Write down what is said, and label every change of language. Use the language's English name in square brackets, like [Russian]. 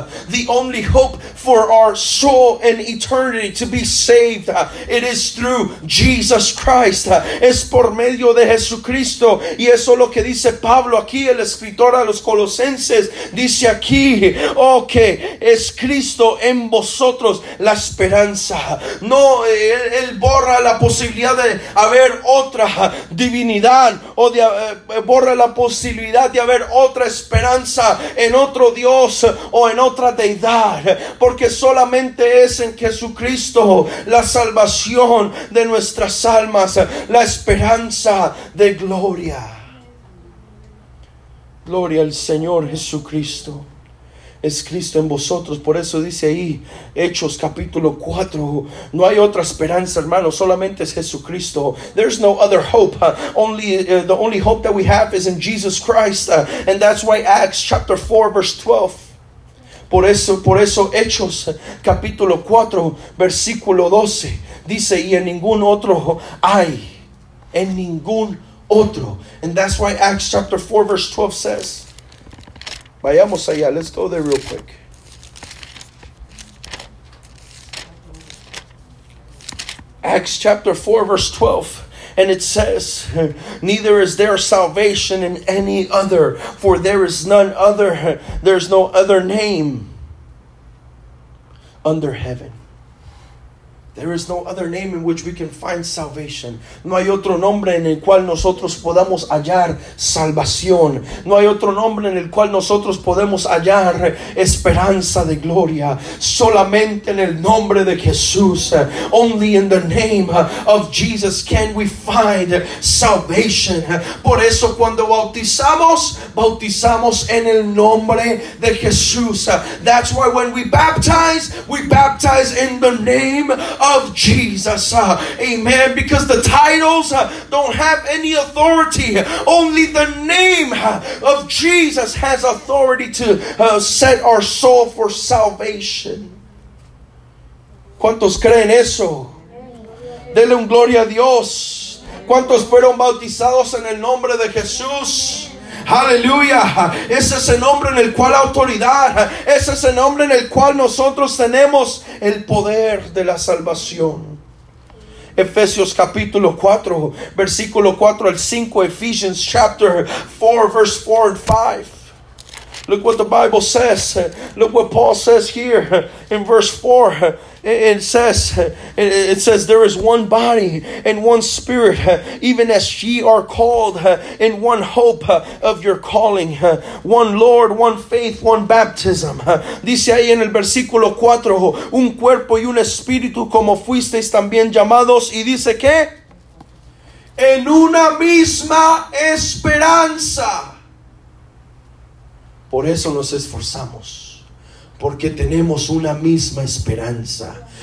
[English] The only hope for our soul and eternity to be saved. It is through Jesus Christ. [Spanish] Es por medio de Jesucristo. Y eso es lo que dice Pablo aquí, el escritor a los Colosenses. Dice aquí, que es Cristo en vosotros la esperanza. No, él borra la posibilidad de haber otra divinidad. O borra la posibilidad de haber otra esperanza en otro Dios o en otra deidad, porque solamente es en Jesucristo la salvación de nuestras almas, la esperanza de gloria. Gloria al Señor Jesucristo. Es Cristo en vosotros. Por eso dice ahí Hechos capítulo 4. No hay otra esperanza, hermano. Solamente es Jesucristo. [English] There's no other hope. The only hope that we have is in Jesus Christ. And that's why Acts chapter 4 verse 12. [Spanish] Por eso Hechos capítulo 4 versículo 12 dice, y en ningún otro hay, en ningún otro. [English] And that's why Acts chapter 4 verse 12 says. [Spanish] Vayamos allá, [English] let's go there real quick. Acts chapter 4 verse 12, and it says, neither is there salvation in any other, for there is none other, there's no other name under heaven. There is no other name in which we can find salvation. [Spanish] No hay otro nombre en el cual nosotros podamos hallar salvación. No hay otro nombre en el cual nosotros podemos hallar esperanza de gloria. Solamente en el nombre de Jesús. [English] Only in the name of Jesus can we find salvation. [Spanish] Por eso cuando bautizamos, bautizamos en el nombre de Jesús. [English] That's why when we baptize in the name of Jesus. Amen. Because the titles don't have any authority. Only the name of Jesus has authority to set our soul for salvation. [Spanish] ¿Cuántos creen eso? Denle un gloria a Dios. ¿Cuántos fueron bautizados en el nombre de Jesús? Aleluya, ese es el nombre en el cual autoridad, ese es el nombre en el cual nosotros tenemos el poder de la salvación. Efesios capítulo 4, versículo 4 al 5, [English] Ephesians chapter 4, verse 4 and 5. Look what the Bible says, look what Paul says here in verse 4. It says there is one body and one spirit, even as ye are called in one hope of your calling, one Lord, one faith, one baptism. [Spanish] Dice ahí en el versículo 4, un cuerpo y un espíritu como fuisteis también llamados. Y dice que en una misma esperanza. Por eso nos esforzamos, porque tenemos una misma esperanza.